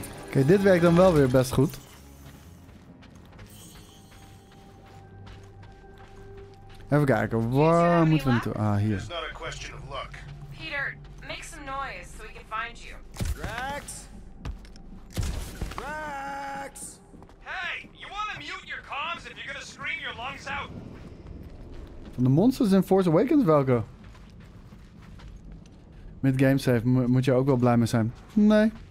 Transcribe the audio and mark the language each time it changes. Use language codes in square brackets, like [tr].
[nl] okay, dit werkt dan wel weer best goed. Even kijken, waar moeten we naartoe? Ah, hier. [en] It's not a question of luck. Peter, make some noise so we can find you. Drax? Drax? Hey, you want to mute your comms if you're going to scream your lungs out? [nl] Van de monsters in Force Awakens, welke? Met game save moet je ook wel blij mee zijn. Nee.